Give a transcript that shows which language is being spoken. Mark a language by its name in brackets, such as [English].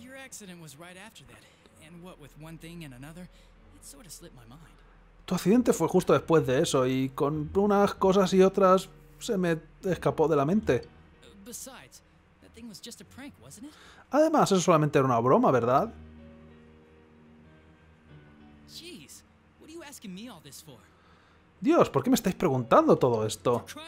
[English] accident was right after that, and what with one thing and another, it sort of slipped my mind. [Spanish] Tu accidente fue justo después de eso, y con unas cosas y otras se me escapó de la mente. [English] Besides, that thing was just a prank, wasn't it? [Spanish] Además, eso solamente era una broma, ¿verdad? [English] Jeez, what are you asking me all this for? [Spanish] Dios, ¿por qué me estáis preguntando todo esto?